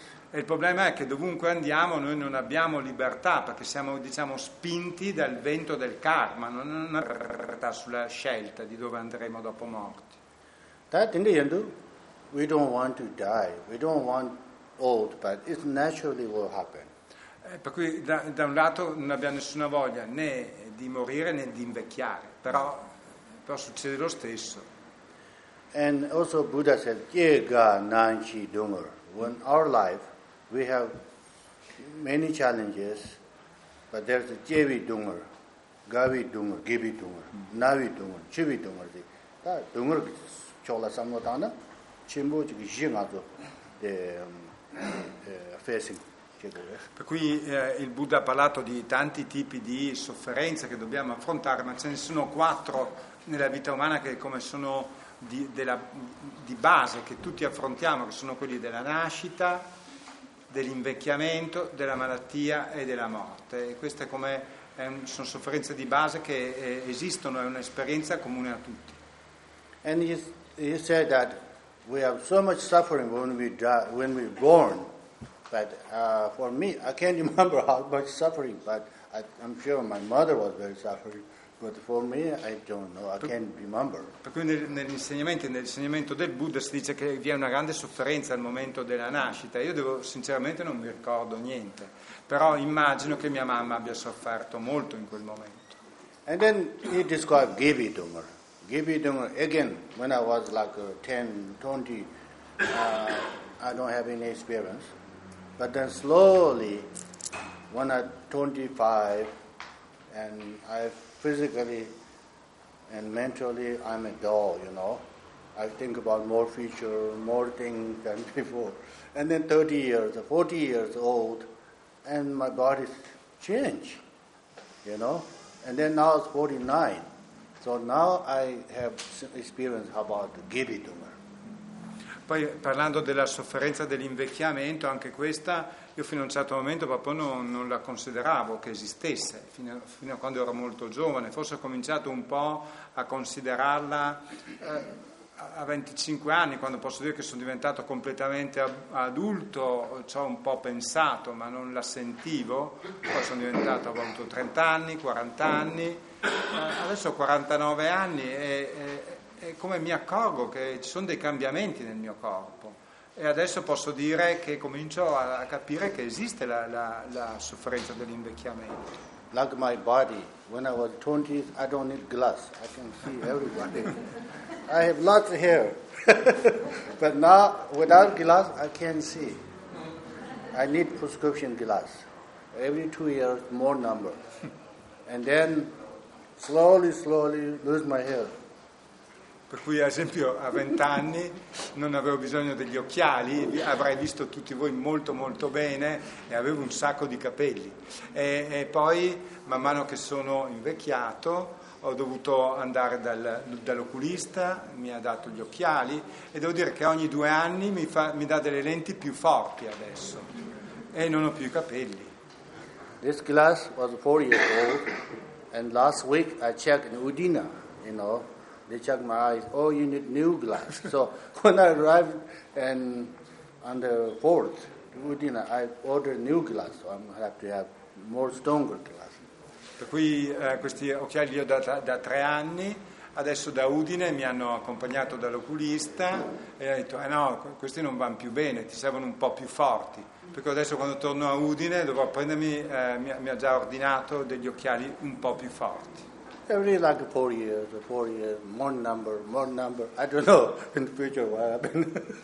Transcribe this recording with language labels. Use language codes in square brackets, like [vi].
[it] E il problema è che dovunque andiamo noi non abbiamo libertà, perché siamo, diciamo, spinti dal vento del karma, non è una libertà sulla scelta di dove andremo dopo morti. [en] That in the end, we don't want to die, we don't want old, but it naturally will happen. [it] Per cui da un lato non abbiamo nessuna voglia né di morire né di invecchiare, però succede lo stesso. [en] And also Buddha said, "Yega nanchi dungur." When our life, we have many challenges, but there's a jevi dungur, gavi dungur, gibi dungur, navi dungur, chivi dungur. That dungur chola samvatana, chimbo chigi jingato the facing. [it] Per cui il Buddha ha parlato di tanti tipi di sofferenze che dobbiamo affrontare, ma ce ne sono quattro nella vita umana che come sono di base che tutti affrontiamo, che sono quelli della nascita, dell'invecchiamento, della malattia e della morte. E queste come sono sofferenze di base che esistono, è un'esperienza comune a tutti. [en] And he said that we have so much suffering when we're born, but for me I can't remember how much suffering, but I'm sure my mother was very suffering. But for me, I don't know. I can't remember. [it] Per cui nell'insegnamento del Buddha si dice che vi è una grande sofferenza al momento della nascita. Io devo sinceramente non mi ricordo niente. Però immagino che mia mamma abbia sofferto molto in quel momento. [en] And then he described Gibi Dungur. Gibi Dungur again. When I was like 10, 20, I don't have any experience. But then slowly, when I 25, and I've physically and mentally, I'm a doll, you know. I think about more future, more things than before. And then 30 years, 40 years old, and my body's changed, you know. And then now it's 49. So now I have experience about the Gibi tumor. [it] Poi parlando della sofferenza dell'invecchiamento, anche questa io fino a un certo momento proprio non la consideravo che esistesse, fino a quando ero molto giovane. Forse ho cominciato un po' a considerarla a 25 anni, quando posso dire che sono diventato completamente adulto, ci ho un po' pensato, ma non la sentivo. Poi sono diventato, ho avuto 30 anni, 40 anni, adesso ho 49 anni e come mi accorgo che ci sono dei cambiamenti nel mio corpo. E adesso posso dire che comincio a capire che esiste la sofferenza dell'invecchiamento. [en] Like my body, when I was 20, I don't need glass. I can see everybody. I have lots of hair. But now, without glass, I can't see. I need prescription glass. Every 2 years, more number. And then, slowly, slowly, lose my hair. [it] Per cui, ad esempio, a 20 anni non avevo bisogno degli occhiali, avrei visto tutti voi molto molto bene e avevo un sacco di capelli. E poi, man mano che sono invecchiato, ho dovuto andare dall'oculista, mi ha dato gli occhiali e devo dire che ogni 2 anni mi dà delle lenti più forti adesso e non ho più i capelli. [en] This glass was 4 years old and last week I checked in Udina, you know. They check my eyes. Oh, you need new glass. So when I arrived and on the fourth Udina, I ordered new glass. So I'm have to have more stronger glass. [it] Per cui questi occhiali li ho da 3 anni. adesso da Udine mi hanno accompagnato dall'oculista e ha detto no, questi non vanno più bene, ti servono un po' più forti, perché adesso quando torno a Udine dovrò prendermi, mi ha già ordinato degli occhiali un po' più forti. [en] Every like four years, more number, I don't know in the future what happened.